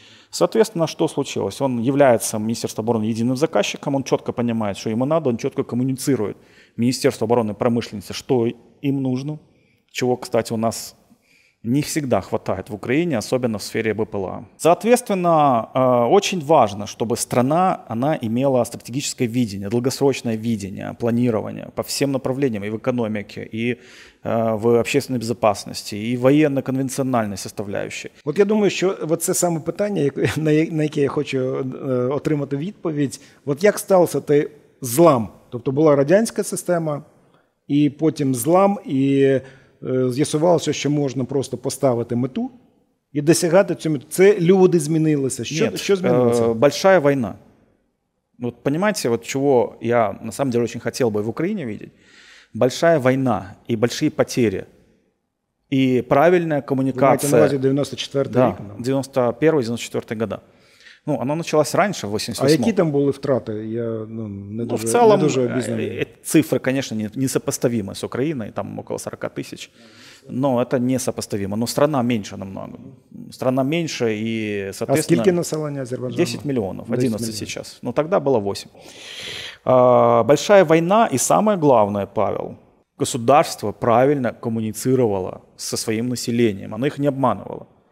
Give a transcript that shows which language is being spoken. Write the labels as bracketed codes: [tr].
[ru] Соответственно, что случилось? Он является Министерство обороны единым заказчиком, он четко понимает, что ему надо, он четко коммуницирует Министерство обороны промышленности, что им нужно, чего, кстати, у нас не всегда хватает в Украине, особенно в сфере БПЛА. Соответственно, очень важно, чтобы страна, она имела стратегическое видение, долгосрочное видение, планирование по всем направлениям, и в экономике, и в общественной безопасности, и военно-конвенциональной составляющей. [uk] Вот я думаю, що вот це саме питання, на яке я хочу отримати відповідь. Вот як стався той злам? Тобто була радянська система, і потім злам, і з'ясувалося, що можна просто поставити мету і досягати цю мету. Це люди змінилися. Що змінилося? [ru] Большая война. Вот понимаете, вот чего я на самом деле очень хотел бы в Украине видеть? Большая война и большие потери. И правильная коммуникация. Вы знаете, на базе 94-й да, рік, да? 91-94 года. Ну, она началась раньше, в 88-м. А какие там были втраты? [uk] Я, ну, не дуже, [ru] в целом, [uk] не дуже обізнаний. [ru] Цифры, конечно, несопоставимы с Украиной, там около 40 тысяч, но это несопоставимо. Но страна меньше намного. Страна меньше и, соответственно... А сколько населения Азербайджана? 10 миллионов, 11 10 миллионов. Сейчас. Но тогда было 8. Большая война и самое главное, Павел, государство правильно коммуницировало со своим населением, оно их не обманывало.